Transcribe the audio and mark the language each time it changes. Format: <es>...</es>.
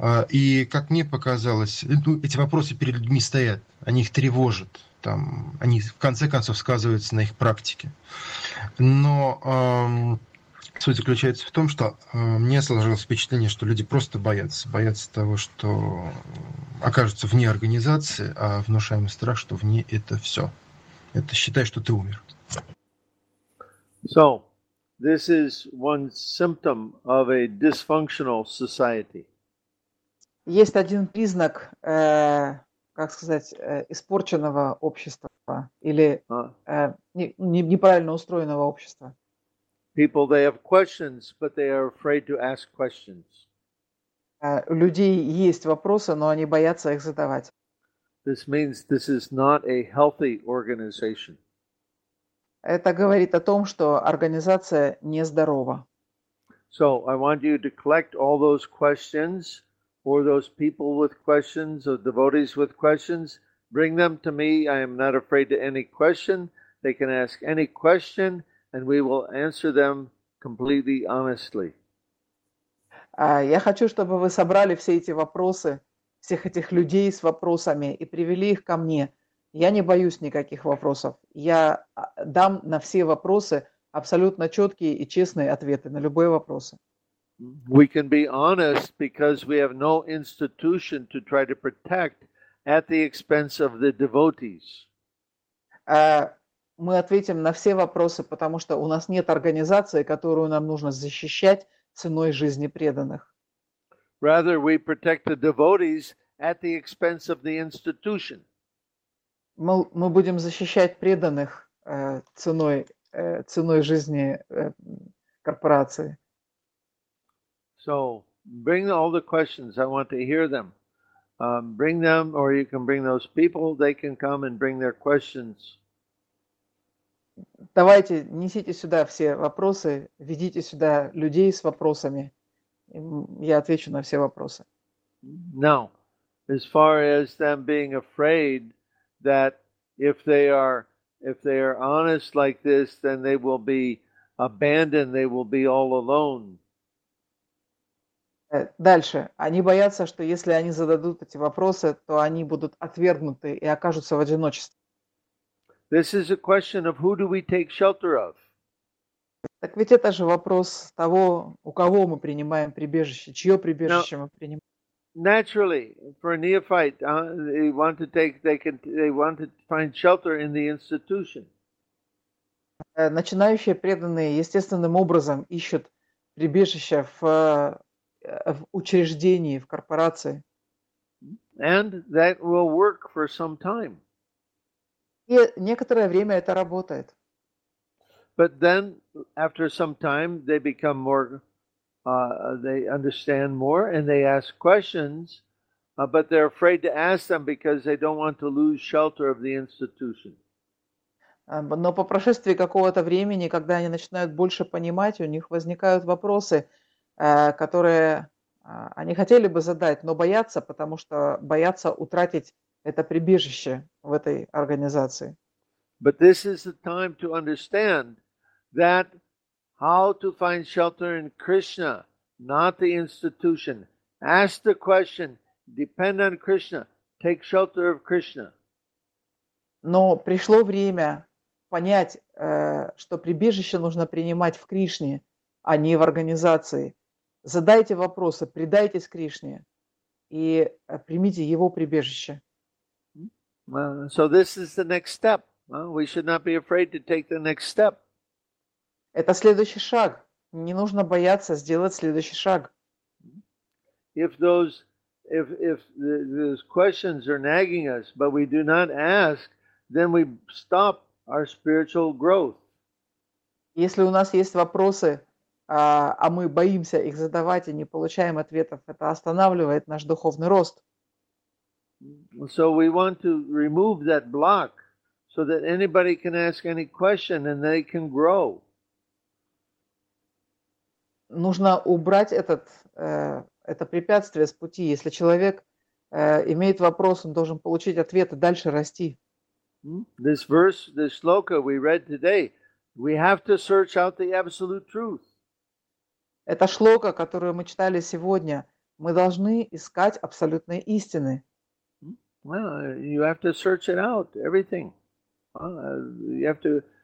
<ru>И, как мне показалось, ну, эти вопросы перед людьми стоят, они их тревожат, там, они, в конце концов, сказываются на их практике. Но... Суть заключается в том, что мне сложилось впечатление, что люди просто боятся. Боятся того, что окажутся вне организации, а внушаемый страх, что вне это все. Это считай, что ты умер.</ru> <en>So, this is one symptom of a dysfunctional society.</en> <ru>Есть один признак, как сказать, испорченного общества или неправильно устроенного общества.</ru> <en>People, they have questions, but they are afraid to ask questions.</en> <ru>У людей есть вопросы, но они боятся их задавать.</ru> <en>This means this is not a healthy organization.</en> <ru>Это говорит о том, что организация нездорова.</ru> <en>So I want you to collect all those questions or those people with questions or devotees with questions. Bring them to me. I am not afraid to any question. They can ask any question. And we will answer them completely honestly.</en> <ru>Я хочу, чтобы вы собрали все эти вопросы, всех этих людей с вопросами и привели их ко мне. Я не боюсь никаких вопросов. Я дам на все вопросы абсолютно четкие и честные ответы на любые вопросы.</ru> <en>We can be honest because we have no institution to try to protect at the expense of the devotees.</en> <ru>Мы ответим на все вопросы, потому что у нас нет организации, которую нам нужно защищать ценой жизни преданных.</ru> <en>Rather, we protect the devotees at the expense of the institution.</en> <ru>Мы будем защищать преданных ценой жизни корпорации.</ru> <en>So, bring all the questions. I want to hear them. Bring them, or you can bring those people. They can come and bring their questions.</en> <ru>Давайте, несите сюда все вопросы, ведите сюда людей с вопросами. Я отвечу на все вопросы.</ru> <en>Now, as far as them being afraid that if they are honest like this, then they will be abandoned, they will be all alone.</en> <ru>Дальше. Они боятся, что если они зададут эти вопросы, то они будут отвергнуты и окажутся в одиночестве.</ru> <en>This is a question of who do we take shelter of.</en> <ru>Так ведь это же вопрос того, у кого мы принимаем прибежище, чье прибежище мы принимаем.</ru> <en>Naturally, for a neophyte, they want to find shelter in the institution.</en> <ru>Начинающие преданные естественным образом ищут прибежище в учреждении, в корпорации.</ru> <en>And that will work for some time.</en> <ru>И некоторое время это работает.</ru> <en>But then, after some time, they become more, they understand more, and they ask questions, but they're afraid to ask them because they don't want to lose shelter of the institution.</en> <ru>Но по прошествии какого-то времени, когда они начинают больше понимать, у них возникают вопросы, которые Они хотели бы задать, но боятся, потому что боятся утратить это прибежище в этой организации.</ru> <en>But this is the time to understand that how to find shelter in Krishna, not the institution. Ask the question, depend on Krishna, take shelter of Krishna.</en> <ru>Но пришло время понять, что прибежище нужно принимать в Кришне, а не в организации. Задайте вопросы, предайтесь Кришне и примите его прибежище.</ru> <en>So this is the next step. We should not be afraid to take the next step.</en> <ru>Это следующий шаг. Не нужно бояться сделать следующий шаг.</ru> <en>If those questions are nagging us, but we do not ask, then we stop our spiritual growth.</en> <ru>Если у нас есть вопросы, а мы боимся их задавать и не получаем ответов, это останавливает наш духовный рост.</ru> <en>So we want to remove that block so that anybody can ask any question and they can grow.</en> <ru>Нужно убрать это препятствие с пути. Если человек имеет вопрос, он должен получить ответ и дальше расти.</ru> <en>This verse, this shloka we read today, we have to search out the absolute truth.</en> <ru>Это шлока, которую мы читали сегодня. Мы должны искать абсолютные истины.</ru> <en>Well, you have to search it out, everything. You have to...</en>